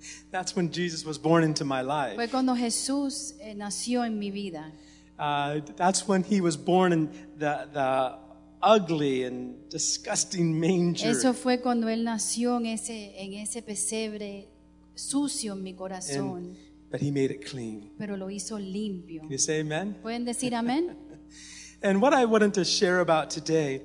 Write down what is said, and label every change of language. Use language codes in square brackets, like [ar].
[en] That's when Jesus was born into my life. [es] Fue cuando Jesús nació en mi vida. [en] That's when he was born in the ugly and disgusting manger. [es] Eso fue cuando él nació en ese pesebre sucio en mi corazón. [en] But he made it clean. [es] Pero lo hizo limpio. [en] Can you say amen? [es] ¿Pueden decir amén? [en] And what I wanted to share about today.